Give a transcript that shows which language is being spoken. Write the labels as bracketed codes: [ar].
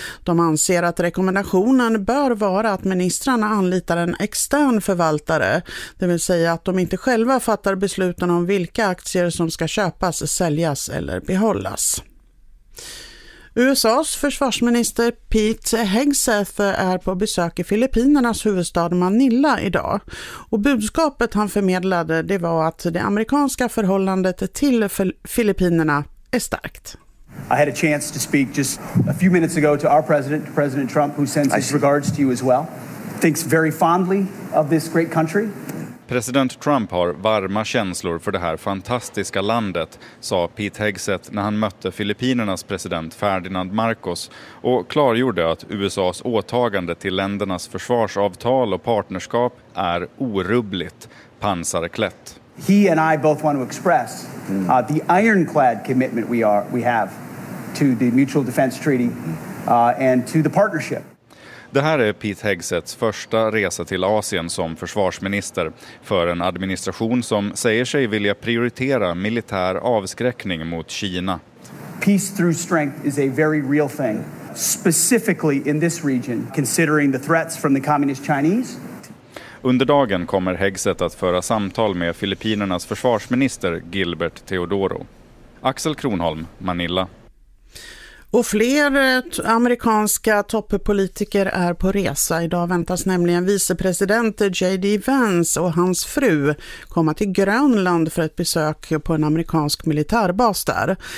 [sv] De anser att rekommendationen bör vara att ministrarna anlitar en extern förvaltare, det vill säga att de inte själva fattar besluten om vilka aktier som ska köpas, säljas eller behållas. USAs försvarsminister Pete Hegseth är på besök i Filippinernas huvudstad Manila idag. Och budskapet han förmedlade det var att det amerikanska förhållandet till Filippinerna är starkt. [en] I had a chance to speak just a few minutes ago to our president, President Trump, who sends his regards to you as well. Thinks very fondly of this great country. [sv] President Trump har varma känslor för det här fantastiska landet, sa Pete Hegseth när han mötte Filippinernas president Ferdinand Marcos och klargjorde att USAs åtagande till ländernas försvarsavtal och partnerskap är orubbligt, pansarklätt. [en] He and I both want to express the ironclad commitment we have to the mutual defense treaty and to the partnership. [sv] Det här är Pete Hegsets första resa till Asien som försvarsminister för en administration som säger sig vilja prioritera militär avskräckning mot Kina. [en] Peace through strength is a very real thing, specifically in this region, considering the threats from the communist Chinese. [sv] Under dagen kommer Hegseth att föra samtal med Filippinernas försvarsminister Gilbert Teodoro. Axel Kronholm, Manila. Och fler amerikanska toppolitiker är på resa. Idag väntas nämligen vicepresident J.D. Vance och hans fru komma till Grönland för ett besök på en amerikansk militärbas där.